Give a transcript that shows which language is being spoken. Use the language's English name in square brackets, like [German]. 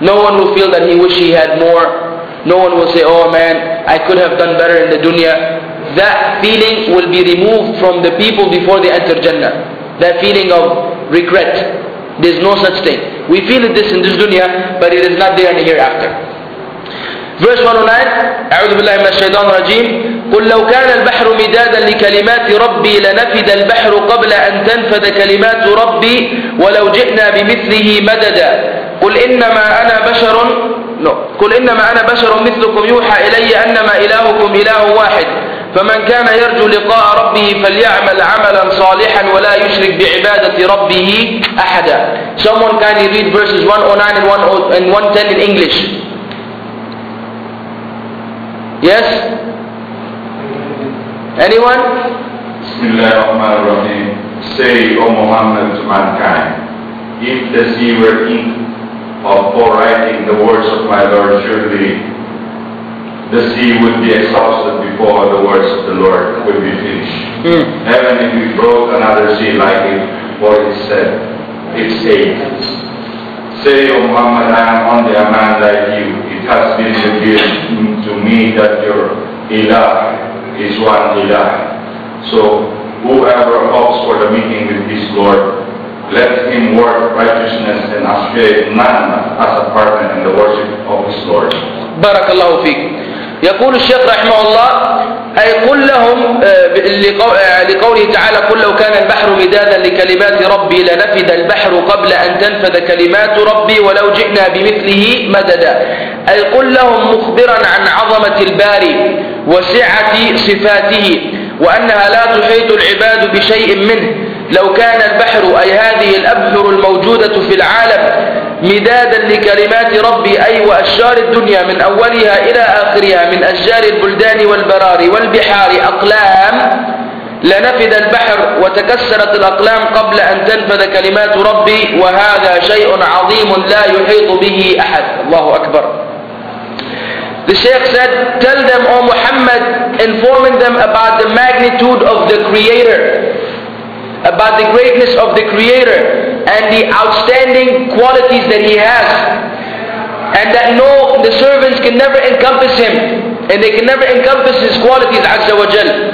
[English] No one will feel that he wish he had more. No one will say, oh man, I could have done better in the dunya. That feeling will be removed from the people before they enter Jannah. That feeling of regret. There's no such thing. We feel it this in this dunya, but it is not there in the hereafter. Verse 109, [Arabic] أعوذ بالله من الشيطان الرجيم قل لو كان البحر مدادا لكلمات ربي لنفد البحر قبل أن تنفذ كلمات ربي ولو جئنا بمثله مددا قل إنما أنا بشر قل إنما أنا بشر مثلكم يوحى إلي أنما إلهكم إله واحد فمن كان يرجو لقاء ربه فليعمل عملا صالحا ولا يشرك بعبادة ربه أحدا. [English] Someone can read verses 109 and 110 in English. Yes? Anyone? [Arabic] Bismillahirrahmanirrahim. [English] Say, O Muhammad, to mankind, if the sea were ink before writing the words of my Lord, surely the sea would be exhausted before the words of the Lord would be finished. Heaven, if we broke another sea like it, for it said, it's ages. Say, O Muhammad, I am only a man like you. It has been revealed to me that your ilah is one ilah. So whoever hopes for the meeting with his Lord, let him work righteousness and obey none as a partner in the worship of his Lord. [Arabic] Barakallahu feek. يقول الشيخ رحمه الله أي قل لهم لقوله تعالى قل لو كان البحر مدادا لكلمات ربي لنفد البحر قبل أن تنفذ كلمات ربي ولو جئنا بمثله مددا أي قل لهم مخبرا عن عظمة الباري وسعة صفاته وأنها لا تحيط العباد بشيء منه لو كان البحر أي هذه الأبحر الموجودة في العالم مدادا لكلمات ربي أي وأشجار الدنيا من أولها إلى آخرها من أشجار البلدان والبراري والبحار أقلام لنفد البحر وتكسرت الأقلام قبل أن تنفذ كلمات ربي وهذا شيء عظيم لا يحيط به أحد. الله أكبر. [English] The Shaykh said, tell them, O Muhammad, informing them about the magnitude of the Creator, about the greatness of the Creator and the outstanding qualities that He has, and that no, the servants can never encompass Him, and they can never encompass His qualities, Azza wa Jal.